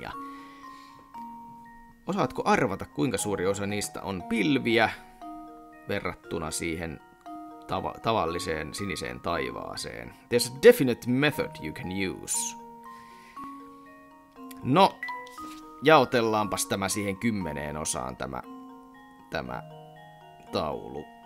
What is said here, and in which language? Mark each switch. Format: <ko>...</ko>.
<fi>Ja osaatko arvata, kuinka suuri osa niistä on pilviä verrattuna siihen tavalliseen siniseen taivaaseen?</fi> <en>There's a definite method you can use.</en> <fi>No, jaotellaanpas tämä siihen 10 osaan tämä taulu.</fi>